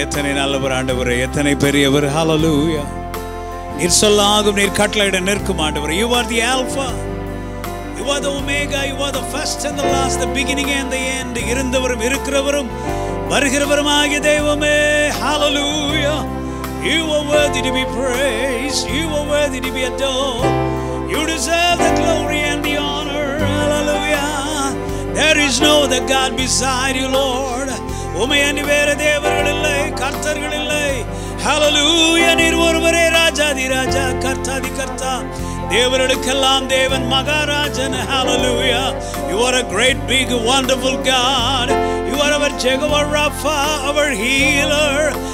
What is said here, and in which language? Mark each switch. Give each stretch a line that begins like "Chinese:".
Tamil: எத்தனை நல்லவர் ஆண்டவர், எத்தனை பெரியவர். ஹல்லேலூயா! நீர் சொல்லாகும், நீர் கட்டளையிட நிற்கும் ஆண்டவர்.
English: You are the Alpha, you are the Omega, you are the first and the last, the beginning and the end.
Tamil: இருந்தவரும் இருக்கிறவரும் வருகிறவருமாகிய தேவமே. ஹல்லேலூயா!
English: You are worthy to be praised. You are worthy to be adored. You deserve the glory and the honor. Hallelujah. There is no other God beside you, Lord.
Tamil: உம்மை அன்றி வேறு தேவர்கள் இல்லை, கர்த்தர்கள் இல்லை. Hallelujah. நீர் ஒருவரே ராஜாதி ராஜா, கர்த்தாதி கர்த்தா. தேவனுக்கெல்லாம் தேவன் மகாராஜன். ஹல்லேலூயா.
English: You are a great big wonderful God. You are our Jehovah Rapha, our healer.